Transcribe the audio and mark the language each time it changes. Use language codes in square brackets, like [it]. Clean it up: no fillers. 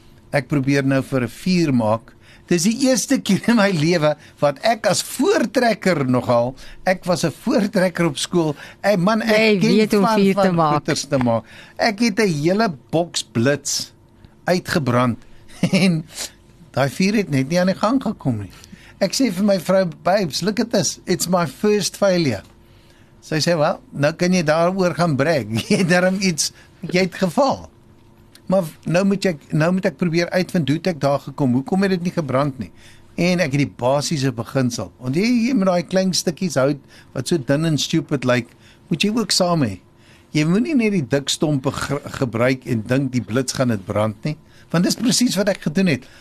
[af] Ek probeer nou vir 'n vuur maak. Dis die eerste keer in my lewe wat ek as voortrekker nogal, ek was 'n voortrekker op skool. Hey man, ek weet hoe vuur te maak. Ek het 'n hele boks blits uitgebrand en daai vuur het net nie aan die gang gekom nie. Ek sê vir my vrou, babes, [en] look at this, it's my first failure. [af] Sy sê, well, nou kan jy daaroor gaan brag. Jy het daarom iets, jy het geval. Maar nou moet ek probeer uitvind hoe ek daar gekom, hoekom het dit nie gebrand nie? En ek het die basiese beginsel. Want jy met daai klein stukkies hout wat so dun en stupid lyk, moet jy ook saam hê. Jy moet nie net die dik stompe gebruik en dink die blits gaan dit brand nie, want dis presies wat ek gedoen het.